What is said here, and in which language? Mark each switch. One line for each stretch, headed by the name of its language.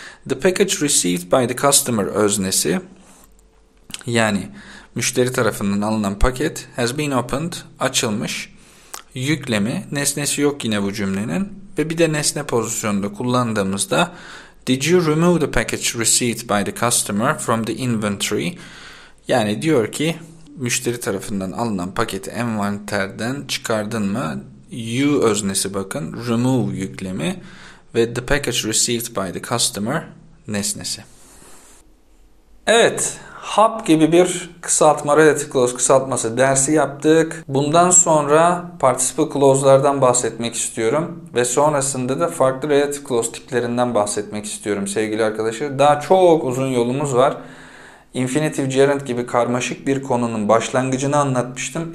English: The package received by the customer
Turkish: öznesi yani müşteri tarafından alınan paket
English: has been opened,
Turkish: açılmış, yüklemi, nesnesi yok yine bu cümlenin ve bir de nesne pozisyonunda kullandığımızda
English: did you remove the package received by the customer from the inventory?
Turkish: Yani diyor ki müşteri tarafından alınan paketi envanterden çıkardın mı? You öznesi bakın. Remove yüklemi. Ve
English: the package received by the customer
Turkish: nesnesi. Evet. Hub gibi bir kısaltma, relative clause kısaltması dersi yaptık. Bundan sonra participle clause'lardan bahsetmek istiyorum. Ve sonrasında da farklı relative clause tiplerinden bahsetmek istiyorum sevgili arkadaşlar. Daha çok uzun yolumuz var. Infinitive gerund gibi karmaşık bir konunun başlangıcını anlatmıştım.